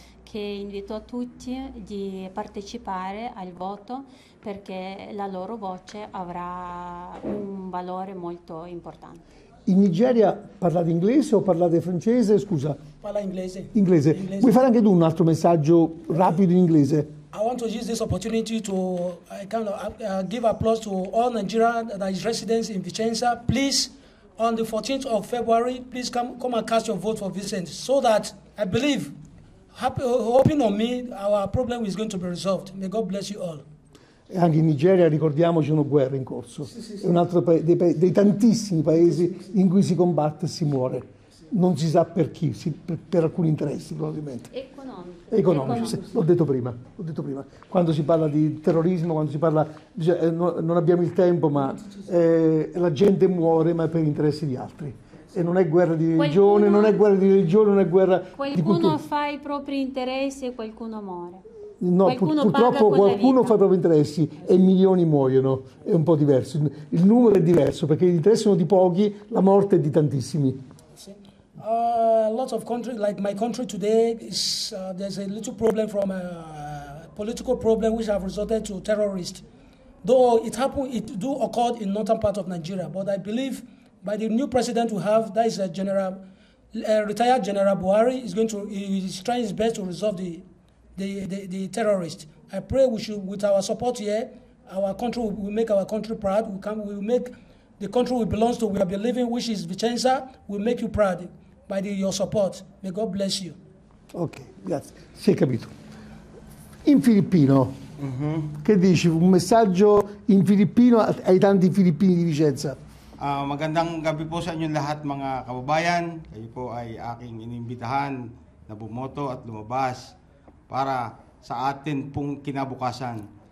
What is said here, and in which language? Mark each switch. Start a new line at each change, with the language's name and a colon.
Italian: Che invito a tutti di partecipare al voto perché la loro voce avrà un valore molto importante. In Nigeria parlate inglese o parlate francese? Scusa. Parla inglese. Inglese. Vuoi fare anche tu un altro messaggio rapido in inglese?
English: I want to use this opportunity to give applause to all Nigerians that is residents in Vicenza. Please, on the 14th of February, please come and cast your vote for Vicenza, so that I believe, hoping on me, our problem is going to be resolved. May God bless you all.
Italian: E anche in Nigeria, ricordiamoci, c'è una guerra in corso. Sì, sì, sì. È un altro dei tantissimi paesi in cui si combatte e si muore. Non si sa per chi, per alcuni interessi probabilmente. Economici. L'ho detto prima. Quando si parla di terrorismo, quando si parla... non abbiamo il tempo, ma la gente muore, ma è per interessi di altri. E non è guerra di religione, non è guerra di cultura. Qualcuno fa i propri interessi e qualcuno muore. No, purtroppo qualcuno fa i propri interessi e milioni muoiono, è un po' diverso, il numero è diverso perché gli interessi sono di pochi, la morte è di tantissimi.
English: A lot of country, like my country today, is there's a little problem from a political problem which have resulted to terrorists. Though it occurred in northern part of Nigeria, but I believe by the new president we have, that is retired General Buhari, is trying his best to resolve the terrorist. I pray we should, with our support here, our country will make our country proud. We will make the country we belong to, we have been living, which is Vicenza, will make you proud by your support. May God bless you.
Italian: Okay, grazie. Si è capito. In filippino, che dici? Un messaggio in filippino ai tanti filippini di Vicenza.
Filipino: Magandang gabi po sa inyong lahat, mga kababayan. Kayo po ay aking inimbitahan na bumoto at lumabas para sa atin pong kinabukasan.